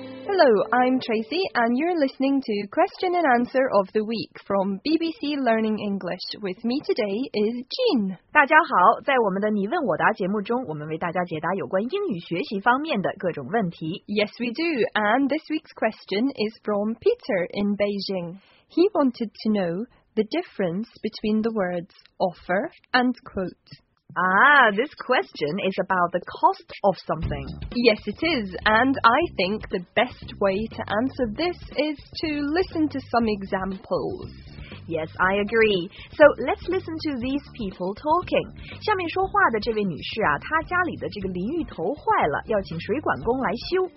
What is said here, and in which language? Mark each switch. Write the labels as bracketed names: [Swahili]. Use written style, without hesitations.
[English] Hello, I'm Tracy, and you're listening to Question and Answer of the Week from BBC Learning English. With me today is Jean. [Chinese] 大家好，在我们的你问我答节目中，我们为大家解答有关英语学习方面的各种问题。 [English] Yes, we do. And this week's question is from Peter in Beijing. He wanted to know the difference between the words offer and quote. This question is about the cost of something. Yes, it is. And I think the best way to answer this is to listen to some examples. Yes, I agree. So, let's listen to these people talking. [Chinese] 下面说话的这位女士啊，她家里的这个淋浴头坏了，要请水管工来修。